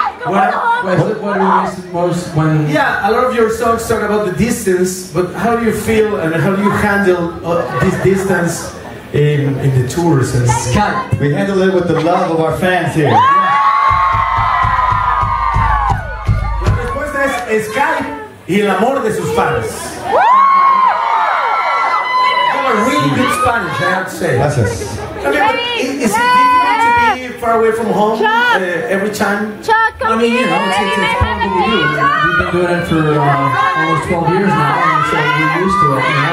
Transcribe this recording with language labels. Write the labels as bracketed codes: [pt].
[en] Yeah, a lot of your songs talk about the distance, but how do you feel and how do you handle this distance in the tours and Skype? We handle it with the love of our fans here. [es] La respuesta es Skype y el amor de sus fans. [en] You are really good Spanish, I have to say. [es] Gracias. [en] Is it difficult to be far away from home every time? Almost 12 years now, and so we're used to it.